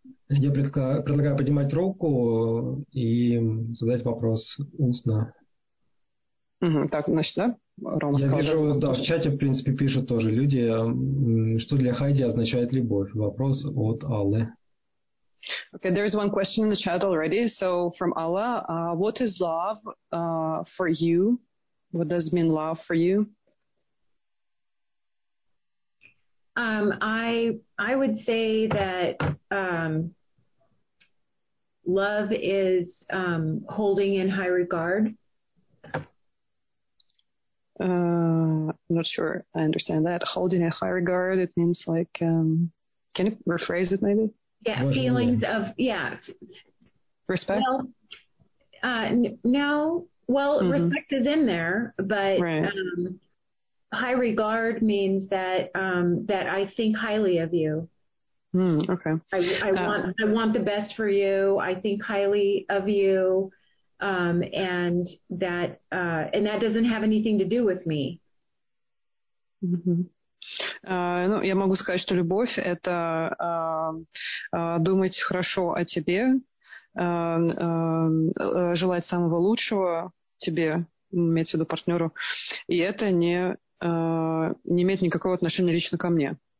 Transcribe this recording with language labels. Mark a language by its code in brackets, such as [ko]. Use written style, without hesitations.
[ru] Я предлагаю поднимать руку и задать вопрос устно. Так, значит, да? Рома, я вижу, да, в чате, в принципе, пишут тоже люди, что для Хайди означает любовь. Вопрос от Аллы. [en] Okay, there is one question in the chat already. So, from Алла, what is love for you? What does mean love for you? I would say that love is holding in high regard. I'm not sure I understand that. Holding in high regard, it means like, can you rephrase it maybe? Yeah, feelings of, yeah. Respect? Well, no. Well, mm-hmm. Respect is in there, but right. High regard means that that I think highly of you. I want the best for you. I think highly of you, and that doesn't have anything to do with me. [ru] Ну, я могу сказать, что любовь — это думать хорошо о тебе, желать самого лучшего тебе, имеется в виду партнеру, и это не имеет никакого отношения лично ко мне.